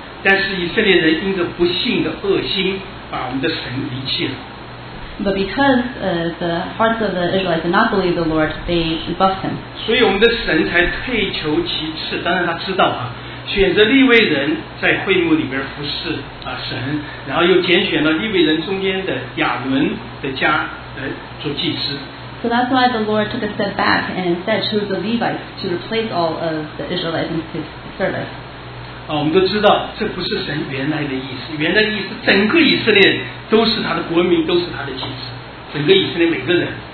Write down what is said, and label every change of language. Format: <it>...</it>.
<zh>但是以色列人因着不幸的恶心，把我们的神离弃了。</zh> <en>But because the hearts of the Israelites did not believe the Lord, they rebuffed him.</en> <zh>所以我们的神才退求其次，当然他知道啊，选择利未人在会幕里边服侍啊神，然后又拣选了利未人中间的亚伦的家做祭司。</zh> <en>So that's why the Lord took a step back and instead chose the Levites to replace all of the Israelites in his service.</en> <zh>啊，我们都知道这不是神原来的意思，原来的意思整个以色列。都是他的国民，都是他的祭司，整个以色列每个人。</zh>